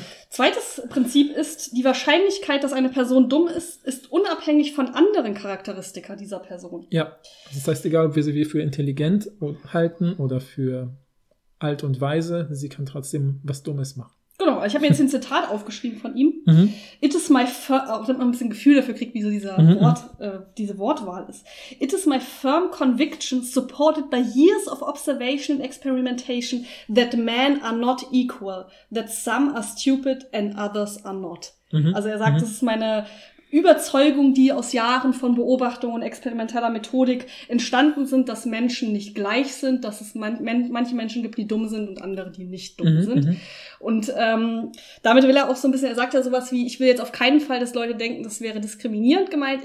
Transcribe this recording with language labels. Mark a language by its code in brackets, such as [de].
[de] Zweites Prinzip ist, die Wahrscheinlichkeit, dass eine Person dumm ist, ist unabhängig von anderen Charakteristika dieser Person. Ja, das heißt, egal, ob wir sie für intelligent halten oder für alt und weise, sie kann trotzdem was Dummes machen. Genau, ich habe jetzt ein Zitat aufgeschrieben von ihm. Mhm. [en] It is my firm, [de] damit man ein bisschen Gefühl dafür kriegt, wie so dieser diese Wortwahl ist. [en] It is my firm conviction, supported by years of observation and experimentation, that men are not equal, that some are stupid and others are not. Mhm. [de] Also er sagt, das ist meine Überzeugung, die aus Jahren von Beobachtung und experimenteller Methodik entstanden sind, dass Menschen nicht gleich sind, dass es manche Menschen gibt, die dumm sind und andere, die nicht dumm sind. Und damit will er auch so ein bisschen, er sagt ja sowas wie, ich will jetzt auf keinen Fall, dass Leute denken, das wäre diskriminierend gemeint.